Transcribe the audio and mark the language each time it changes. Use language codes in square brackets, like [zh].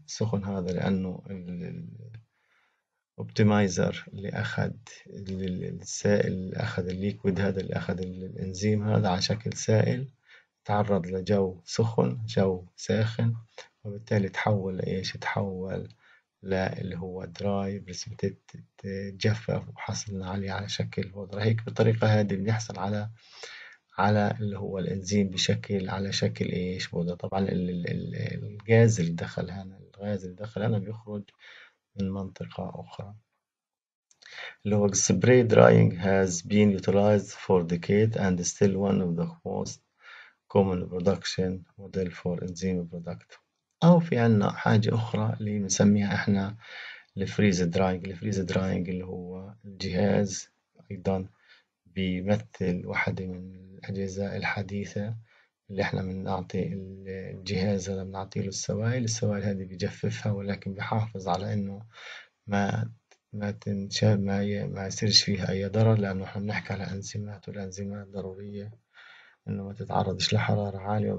[ar] سخن هذا لانه الاوبتمايزر اللي اخذ السائل اللي اخذ الليكويد هذا اللي اخذ الانزيم هذا على شكل سائل تعرض لجو سخن جو ساخن، وبالتالي تحول لايش، تحول لا اللي هو دراي بريسبيتيت جفف، وحصلنا عليه على شكل بودرة. هيك بالطريقة هذه بنحصل على اللي هو الانزيم بشكل على شكل ايش، بودرة. طبعا الغاز اللي دخل هنا، الغاز اللي دخل هنا بيخرج من منطقة اخرى. اللي هو السبراي دراينج [en] has been utilized for decades and still one of the most common production model for enzyme product. [ar] او في عنا حاجة اخرى اللي بنسميها احنا الفريز دراينج. الفريز دراينج اللي هو الجهاز ايضا بيمثل واحدة من الاجهزة الحديثة اللي احنا بنعطي الجهاز هذا، بنعطي له السوائل، السوائل هذه بيجففها ولكن بيحافظ على انه ما يصيرش فيها اي ضرر، لانه احنا بنحكي على انزيمات، والانزيمات ضرورية انه ما تتعرضش لحرارة عالية.